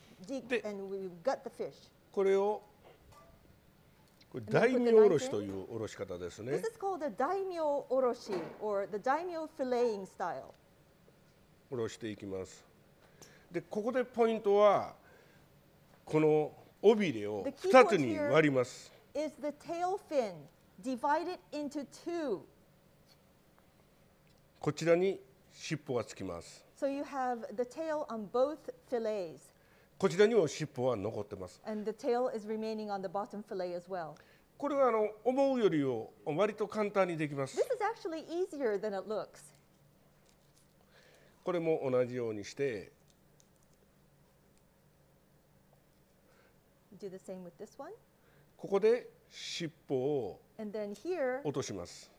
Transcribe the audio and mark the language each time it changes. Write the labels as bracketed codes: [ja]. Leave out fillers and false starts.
[en] Dig and we gut the fish. [ja] これをこれ大名おろしというおろし方ですね。 [en] This is called the 大名おろし or the 大名 filleting style. [ja] おろしていきます。で、ここでポイントはこの尾びれを二つに割ります。 [en] Is the tail fin divided into two? [ja] こちらに尻尾がつきます。 [en] So you have the tail on both fillets. [ja] こちらにも尻尾は残ってます。 [en] And the tail is remaining on the bottom fillet as well. [ja] これは思うよりも割と簡単にできます。 [en] This is actually easier than it looks. [ja] これも同じようにして。 [en] Do the same with this one. [ja] ここで尻尾を落とします。